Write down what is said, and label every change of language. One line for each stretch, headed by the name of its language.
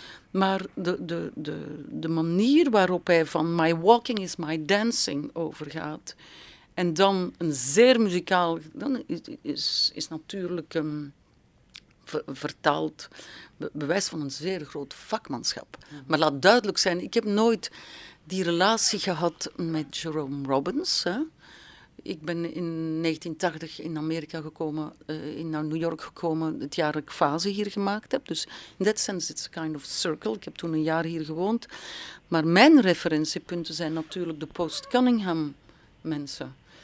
Dutch: Maar de manier waarop hij van
English: my walking is my dancing
Dutch: overgaat en dan een zeer muzikaal, dan is natuurlijk vertaald bewijs van een zeer groot vakmanschap. Maar laat duidelijk zijn, ik heb nooit die relatie gehad met Jerome Robbins, hè. Ik ben in 1980 in Amerika gekomen, naar New York gekomen, het jaar dat ik fase hier gemaakt heb.
English: Dus in that sense, it's a kind of circle.
Dutch: Ik heb toen een jaar hier gewoond. Maar mijn referentiepunten zijn natuurlijk de post-Cunningham mensen.